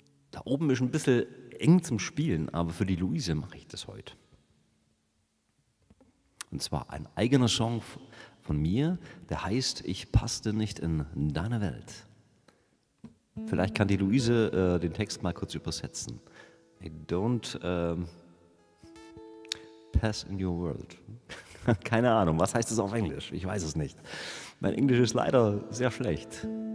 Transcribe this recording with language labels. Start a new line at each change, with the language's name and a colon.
German: Da oben ist ein bisschen eng zum Spielen, aber für die Luise mache ich das heute. Und zwar ein eigener Song von mir, der heißt Ich passte nicht in deine Welt. Vielleicht kann die Luise den Text mal kurz übersetzen.
English: I don't pass in your world.
German: Keine Ahnung, was heißt das auf Englisch? Ich weiß es nicht. Mein Englisch ist leider sehr schlecht.